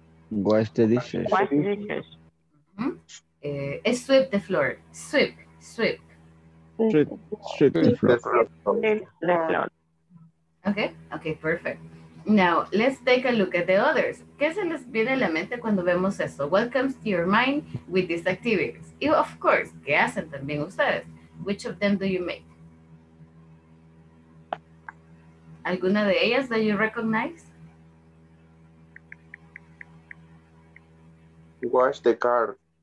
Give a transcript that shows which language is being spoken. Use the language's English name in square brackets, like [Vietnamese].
[English] Wash the dishes. Wash the dishes. Mm-hmm. Sweep the floor. Sweep. Sweep the floor. Okay, okay, perfect. Now, let's take a look at the others. [Spanish] ¿Qué se les viene a la mente cuando vemos esto? [English] What comes to your mind with these activities? Y, of course, [Spanish] ¿qué hacen también ustedes? [English] Which of them do you make? [Spanish] ¿Alguna de ellas [English] that you recognize? Wash the car.